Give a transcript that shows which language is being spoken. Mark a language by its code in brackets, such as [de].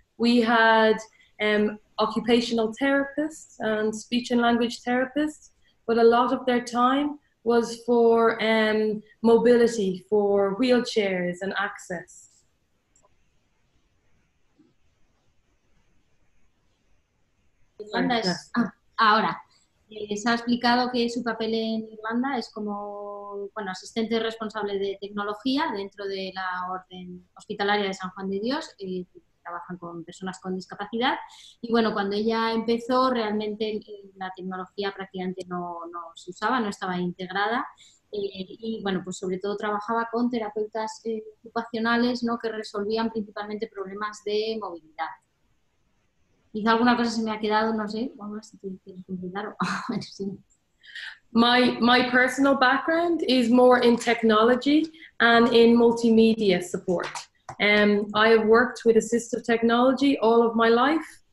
[en] We had occupational therapists and speech and language therapists, but a lot of their time was for mobility, for wheelchairs and access. [es] Irlanda es, ahora, se ha explicado que su papel en Irlanda es como, bueno, asistente responsable de tecnología dentro de la orden hospitalaria de San Juan de Dios, trabajan con personas con discapacidad. Y bueno, cuando ella empezó, realmente la tecnología prácticamente no se usaba, no estaba integrada. Y bueno, pues sobre todo trabajaba con terapeutas ocupacionales, ¿no?, que resolvían principalmente problemas de movilidad. Quizá alguna cosa se me ha quedado, no sé, vamos, si quieres completar o sí. [en] My personal background is more in technology and in multimedia support. I have worked with assistive technology all of my life.